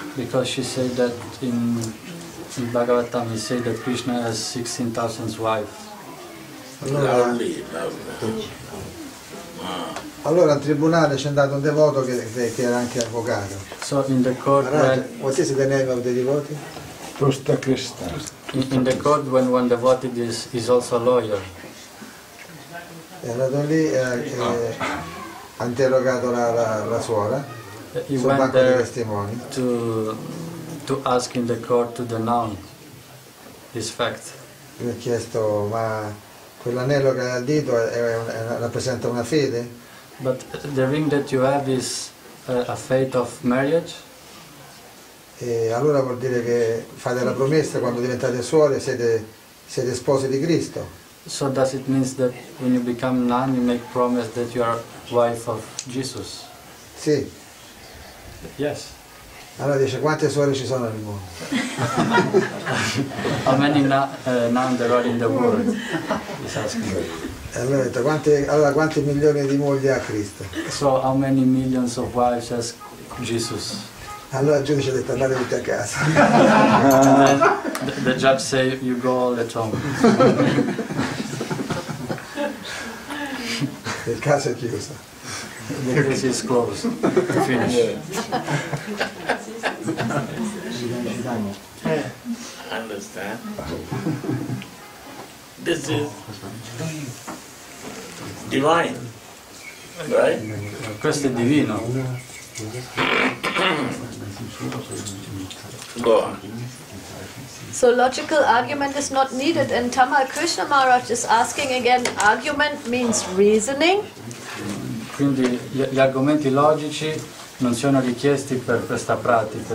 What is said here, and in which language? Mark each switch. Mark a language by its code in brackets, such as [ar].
[en] Because she said that in Bhagavatam he said that Krishna has 16,000 wives. [it] Allora, allora al tribunale c'è andato un devoto che era anche avvocato. [en] So in the court, what is the name of the devotee? Prosta Krishna. In the court, when one devotee is also a lawyer. [it] È andato lì e ha interrogato la suora. [en] He [it] sul [en] went there [it] testimoni. [en] To ask in the court to the nun this fact. [it] Gli ha chiesto, ma quell'anello che ha al dito rappresenta una fede? [en] But the ring that you have is a faith of marriage. [it] E allora vuol dire che fate la promessa quando diventate suore, siete sposi di Cristo. [en] So does it mean that when you become nun you make promise that you are wife of Jesus? [it] Sì. [en] Yes. [it] Allora dice quante suore ci sono nel mondo? [en] How many nun there are in the world? He's asking. [it] Allora, quanti milioni di mogli ha Cristo? [en] So how many millions of wives has Jesus? [it] Allora il giudice ha detto andate tutti a casa. [en] The judge say you go all at home. [it] Il caso è chiuso. [en] The case is closed. To finish. Understand? This is divine, right? [it] Questo è divino. [en] Go on. So logical argument is not needed, and Tamal Krishna Maharaj is asking again. Argument means reasoning. [it] Quindi gli argomenti logici non sono richiesti per questa pratica.